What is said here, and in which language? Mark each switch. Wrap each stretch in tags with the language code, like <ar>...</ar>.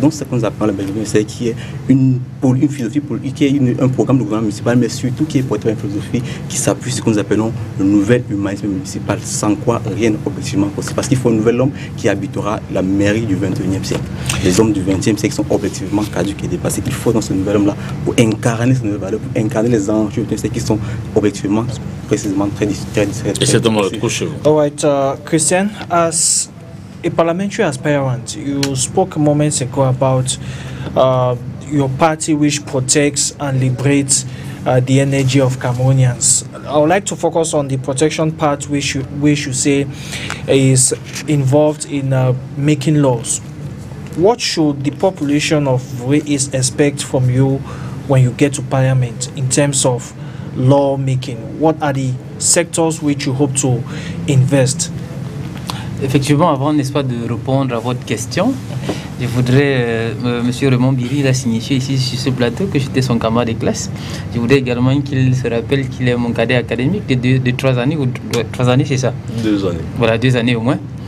<fr>C'est donc ce que nous appelons le maire du 21e siècle, qui est une philosophie politique, qui est un programme de gouvernement municipal, mais surtout qui est porté par une philosophie qui s'appuie sur ce que nous appelons le nouvel humanisme municipal, sans quoi rien n'est objectivement possible. Parce qu'il faut un nouvel homme qui habitera la mairie du 21e siècle. Les hommes du 20e siècle sont objectivement caduques et dépassés. Il faut dans ce nouvel homme-là pour incarner ces nouvelles valeurs, pour incarner les enjeux qui sont objectivement, précisément, très discrets. Et c'est dans votre couche.</fr> <en>All right, Christian, as a parliamentary aspirant, you spoke moments ago about your party which protects and liberates the energy of Cameroonians. I would like to focus on the protection part which you say is involved in making laws. What should the population of Vuré East expect from you when you get to parliament in terms of lawmaking? What are the sectors which you hope to invest?</en> <fr>Effectivement, avant, n'est-ce pas, de répondre à votre question, je voudrais, Monsieur Raymond Biry l'a signifié ici sur ce plateau, que j'étais son camarade de classe. Je voudrais également qu'il se rappelle qu'il est mon cadet académique de trois années, c'est ça? Deux années. Voilà, deux années au moins.</fr>